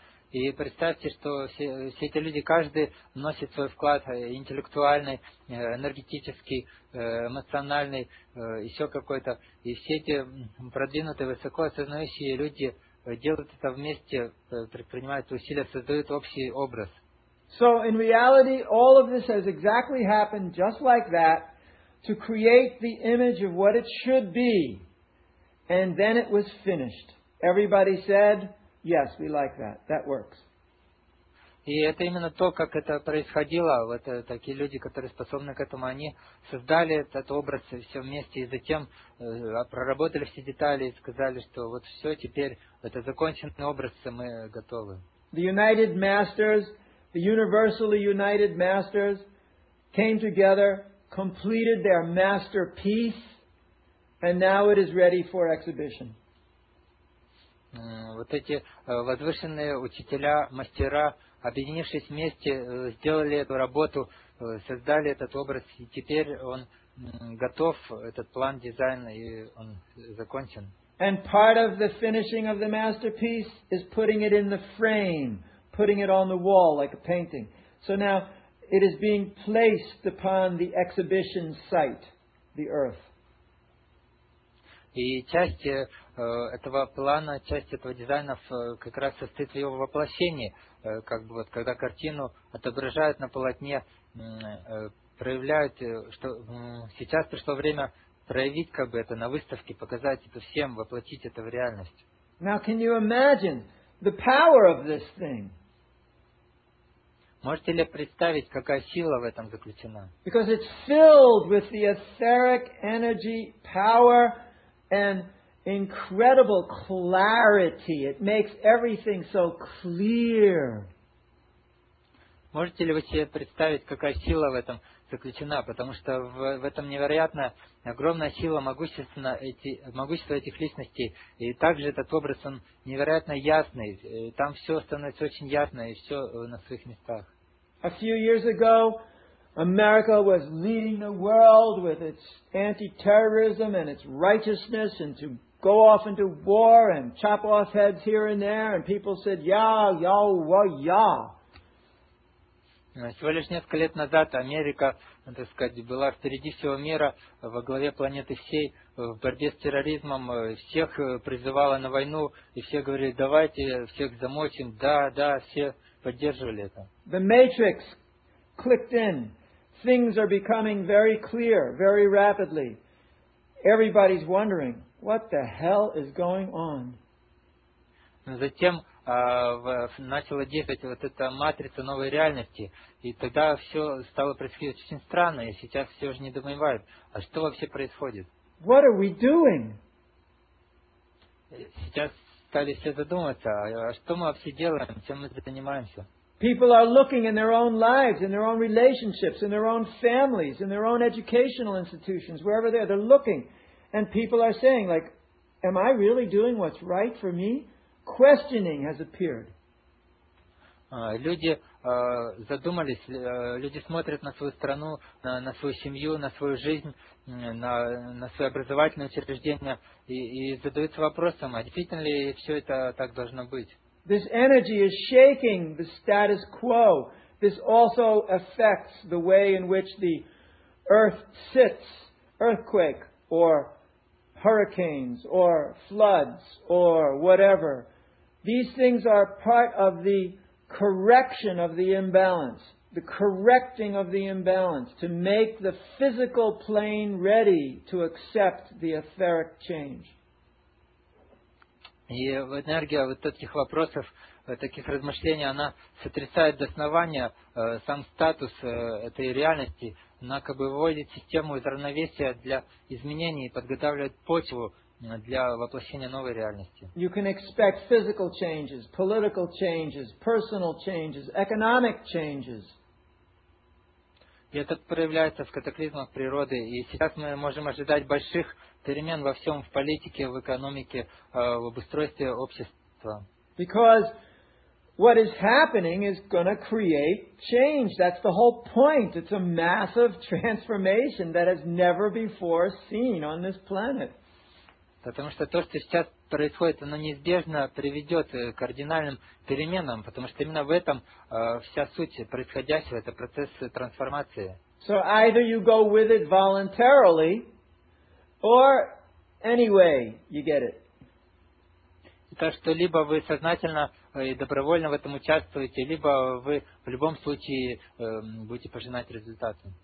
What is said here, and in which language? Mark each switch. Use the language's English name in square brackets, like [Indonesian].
[Russian] И представьте, что все эти люди, каждый носит свой вклад интеллектуальный, энергетический, эмоциональный, еще какой-то. И все эти продвинутые, высоко осознающие люди делают это вместе, предпринимают усилия, создают общий образ. [English] So in reality, all of this has exactly happened just like that, to create the image of what it should be. And then it was finished. Everybody said, yes, we like that. That works. [Russian] И это именно то, как это происходило. Вот такие люди, которые способны к этому, они создали этот образ все вместе и затем проработали все детали и сказали, что вот все, теперь это законченный образ, мы готовы. [English] The United Masters, the universally united masters came together, completed their masterpiece, and now it is ready for exhibition. [Russian] Вот эти возвышенные учителя, мастера, объединившись вместе, сделали эту работу, создали этот образ, и теперь он готов, этот план, дизайн, и он закончен. [English] And part of the finishing of the masterpiece is putting it in the frame, putting it on the wall like a painting. So now it is being placed upon the exhibition site, the earth. [Russian] И часть этого плана, часть этого дизайна как раз состоит в его воплощении, как бы вот когда картину отображают на полотне, проявляют, что сейчас пришло время проявить как бы это на выставке, показать это всем, воплотить это в реальность. [English] Now can you imagine the power of this thing? [Russian] Можете ли представить, какая сила в этом заключена? [English] Because it's filled with the etheric energy, power and incredible clarity. It makes everything so clear. [Russian] Можете ли вы себе представить, какая сила в этом заключена? Потому что в этом невероятная, огромная сила, могущество этих личностей. И также этот образ, он невероятно ясный. И там все становится очень ясно и все на своих местах. [English] A few years ago, America was leading the world with its anti-terrorism and its righteousness and to go off into war and chop off heads here and there. And people said, yeah, yeah, well, yeah. [Russian] Всего лишь несколько лет назад Америка, так сказать, была впереди всего мира, во главе планеты всей, в борьбе с терроризмом, всех призывала на войну, и все говорили, давайте всех замочим, да, да, все поддерживали это. [English] The matrix clicked in. Things are becoming very clear, very rapidly. Everybody's wondering, what the hell is going on? [Russian] Затем начала действовать вот эта матрица новой реальности, и тогда все стало происходить очень странно, и сейчас все же недоумевают, а что вообще происходит? [English] What are we doing? [Russian] Сейчас стали все задумываться, а что мы вообще делаем, чем мы занимаемся? [English] People are looking in their own lives, in their own relationships, in their own families, in their own educational institutions, wherever they're looking. And people are saying, like, am I really doing what's right for me? Questioning has appeared. [Russian] Люди задумались, люди смотрят на свою страну, на свою семью, на свою жизнь, на свое образовательное учреждение и задаются вопросом, а действительно ли все это так должно быть? [English] This energy is shaking the status quo. This also affects the way in which the earth sits, earthquake, or hurricanes, or floods, or whatever. These things are part of the correction of the imbalance, the correcting of the imbalance to make the physical plane ready to accept the etheric change. [Russian] И энергия вот таких вопросов, таких размышлений, она сотрясает до основания сам статус этой реальности. Она как бы выводит систему из равновесия для изменений и подготавливает почву для воплощения новой реальности. [English] You can expect physical changes, political changes, personal changes, economic changes. [Russian] И это проявляется в катаклизмах природы. И сейчас мы можем ожидать больших перемен во всем, в политике, в экономике, в обустройстве общества. [English] Because what is happening is going to create change. That's the whole point. It's a massive transformation that has never before seen on this planet. [Russian] Потому что то, что сейчас происходит, оно неизбежно приведет к кардинальным переменам, потому что именно в этом вся суть происходящего, это процесс трансформации. [English] So either you go with it voluntarily, or anyway, you get it. [Russian] Так что либо вы сознательно и добровольно в этом участвуете, либо вы в любом случае будете пожинать результаты.